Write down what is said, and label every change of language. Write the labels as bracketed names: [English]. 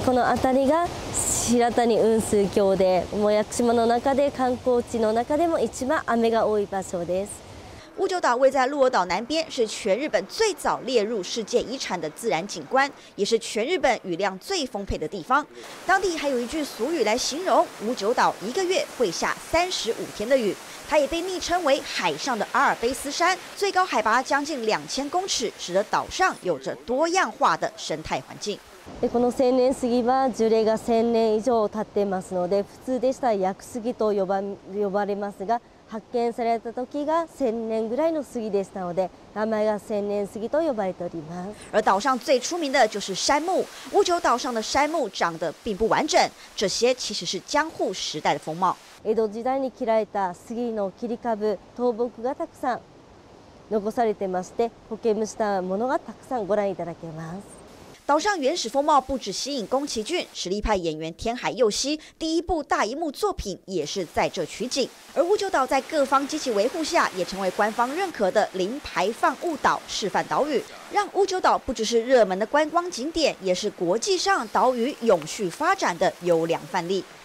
[Japanese] この辺りが白谷雲数橋で、もう屋久島の中で観光地の中でも一番雨が多い場所です。 [Chinese] 屋久岛位在鹿儿岛南边，是全日本最早列入世界遗产的自然景观，也是全日本雨量最丰沛的地方。当地还有一句俗语来形容屋久岛，一个月会下35天的雨。它也被昵称为海上的阿尔卑斯山，最高海拔将近2000公尺，使得岛上有着多样化的生态环境。 [Japanese] この千年杉は樹齢が1000年以上経ってますので、普通でしたら屋久杉と呼ばれますが。発見された時が千年ぐらいの杉でしたので、名前が千年杉と呼ばれております。 [Chinese] 而岛上最出名的就是杉木。五九岛上的杉木长得并不完整，这些其实是江户时代的风貌。 [Japanese] 江戸時代に切られた杉の切り株、倒木がたくさん残されてまして、苔むしたものがたくさんご覧いただけます。 [Chinese] 岛上原始风貌不止吸引宫崎骏，实力派演员天海佑希第一部大荧幕作品也是在这取景。而五九岛在各方积极维护下，也成为官方认可的零排放物岛示范岛屿，让五九岛不只是热门的观光景点，也是国际上岛屿永续发展的优良范例。